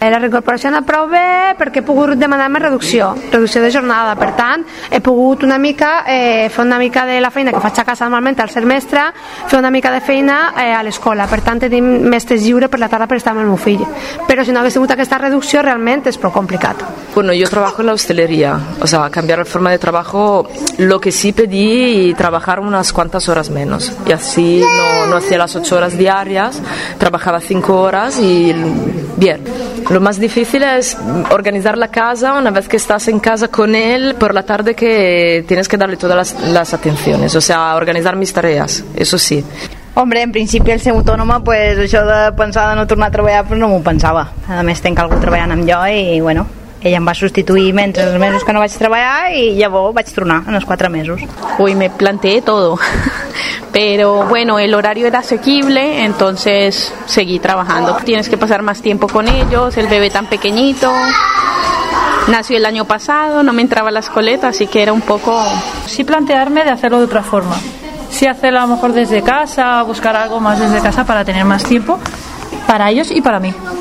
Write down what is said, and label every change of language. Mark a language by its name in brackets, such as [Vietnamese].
[Catalan] La reincorporació ha anat prou bé perquè he pogut demanar-me reducció de jornada, per tant he pogut una mica fer una mica de la feina que faig a casa normalment al ser mestra, fer una mica de feina a l'escola, per tant tenim mestres lliure per la tarda per estar amb el meu fill, però si no hagués tingut aquesta reducció realment [Spanish] es complicado. Bueno, yo trabajo en la hostelería, o sea, cambiar la forma de trabajo, lo que sí pedí y trabajar unas cuantas horas menos y así no hacía las 8 horas diarias, trabajaba 5 horas y bien. Lo más difícil es organizar la casa una vez que estás en casa con él por la tarde, que tienes que darle todas las atenciones, o sea, organizar mis tareas, eso sí. [Catalan] Hombre, en principi el ser autònoma, pues, això de pensar de no tornar a treballar, pues, no m'ho pensava. A més, tinc algú treballant amb jo i bueno, ella em va substituir mentre els mesos que no vaig treballar i llavors vaig tornar en els 4 mesos. [Spanish] Uy, me planteé todo, pero bueno, el horario era asequible, entonces seguí trabajando. Tienes que pasar más tiempo con ellos, el bebé tan pequeñito... Nació el año pasado, no me entraba la escoleta, así que era un poco... Sí plantearme de hacerlo de otra forma. Sí hacerlo a lo mejor desde casa, buscar algo más desde casa para tener más tiempo para ellos y para mí.